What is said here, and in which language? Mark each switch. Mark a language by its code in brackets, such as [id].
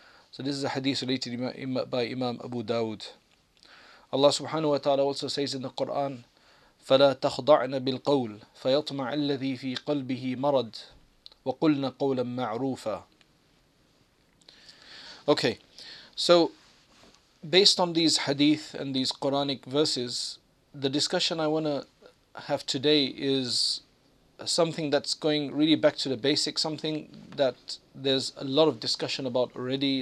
[en] So this is a hadith related by Imam Abu Dawud. [ar] Allah subhanahu wa ta'ala also says in the Quran, فلا تخضعن بالقول فيطمع الذي في قلبه مرض وقلنا قولا معروفا. [en] Okay, so based on these hadith and these Quranic verses, the discussion I want to have today is something that's going really back to the basics, something that there's a lot of discussion about already.